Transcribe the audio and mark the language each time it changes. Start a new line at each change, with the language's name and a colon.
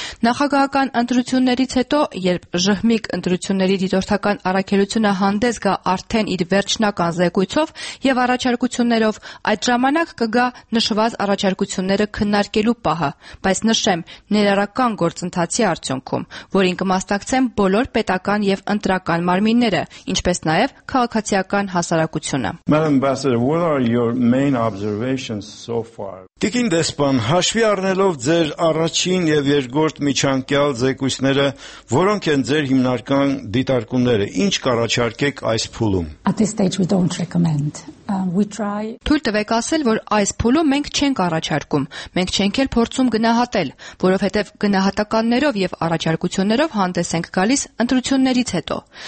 Armenian: Նախագահական ընտրություններից հետո, երբ ԺՀՄԻԿ ընտրությունների դիտորդական առաքելությունը հանդես գա արդեն իր վերջնական զեկույցով և առաջարկություններով, այդ ժամանակ կգա նշված առաջարկությունները քննարկելու պահը։ Բայց նշեմ, ներառական գործընթացի արդյունքում, որին կմասնակցեն բոլոր պետական և ընտրական մարմինները, ինչպես նաև քաղաքացիական հասարակությունը։
English: Madam Ambassador, what are your main observations so far?
Armenian: Տիկին դեսպան, հաշվի առնելով ձեր առաջին և երկրորդ միջանկյալ զեկույցները, որոնք են ձեր հիմնական դիտարկումները, ինչ կառաջարկեք այս փուլում։
English: At this stage we don't recommend.
Armenian: Թույլ տվեք ասել, որ այս փուլը մենք չենք առաջարկում, մենք չենք էլ փորձում գնահատել, որովհետև գնահատականներով և առաջարկություններով հանդես ենք գալիս ընտրություններից հետո,